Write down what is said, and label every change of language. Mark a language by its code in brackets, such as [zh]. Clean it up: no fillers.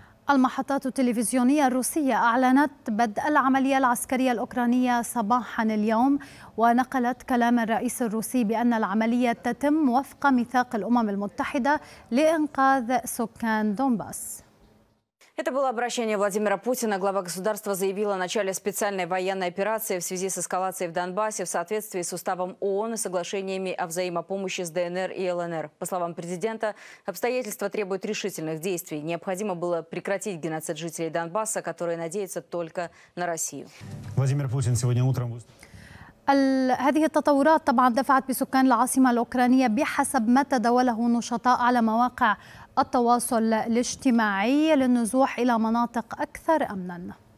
[ar] المحطات التلفزيونية الروسية أعلنت بدء العملية العسكرية الأوكرانية صباحا اليوم، ونقلت كلام الرئيس الروسي بأن العملية تتم وفق ميثاق الأمم المتحدة لإنقاذ سكان دونباس. [ru] Это было обращение Владимира Путина. Глава государства заявил о начале специальной военной операции в связи с эскалацией в Донбассе в соответствии с уставом ООН и соглашениями о взаимопомощи с ДНР и ЛНР. По словам президента, обстоятельства требуют решительных действий. Необходимо было прекратить геноцид жителей Донбасса, которые надеются только на Россию. Владимир Путин сегодня утром... [ar] هذه التطورات طبعا دفعت بسكان العاصمة الأوكرانية بحسب ما تداوله نشطاء على مواقع التواصل الاجتماعي للنزوح إلى مناطق أكثر أمنا.